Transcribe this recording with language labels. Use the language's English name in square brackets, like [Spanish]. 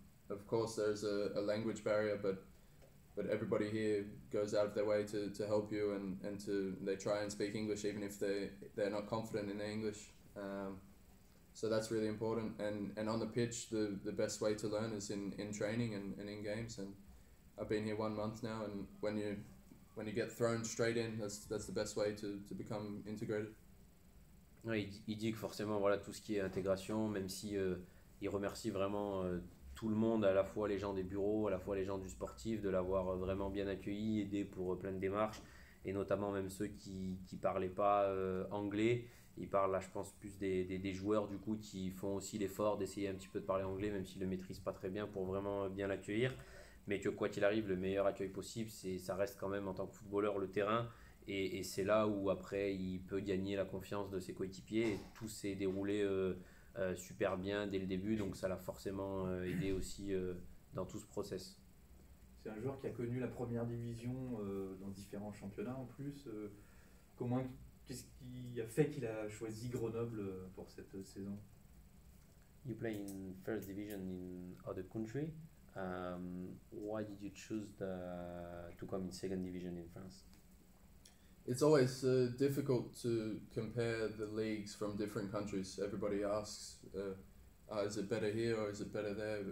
[English] Of course, there's a language barrier, but everybody here goes out of their way to help you, and to they try and speak English even if they're not confident in their English. So that's really important. And on the pitch, the best way to learn is in training and in games. And I've been here 1 month now, and when you get thrown straight in, that's the best way to become integrated. [French] Ouais, il dit que forcément, voilà, tout ce qui est intégration, même si il remercie vraiment tout le monde, à la fois les gens des bureaux, à la fois les gens du sportif, de l'avoir vraiment bien accueilli, aidé pour plein de démarches, et notamment même ceux qui parlaient pas anglais. Il parle là, je pense, plus des joueurs du coup qui font aussi l'effort d'essayer un petit peu de parler anglais, même s'ils le maîtrisent pas très bien, pour vraiment bien l'accueillir. Mais que quoi qu'il arrive, le meilleur accueil possible, ça reste quand même en tant que footballeur le terrain. Et c'est là où après il peut gagner la confiance de ses coéquipiers. Et tout s'est déroulé super bien dès le début, donc ça l'a forcément aidé aussi dans tout ce process. C'est un joueur qui a connu la première division dans différents championnats en plus. Comment, qu'est-ce qui a fait qu'il a choisi Grenoble pour cette saison? [English] You play in first division in other country. Why did you choose to come in second division in France? It's always difficult to compare the leagues from different countries. Everybody asks, is it better here or is it better there?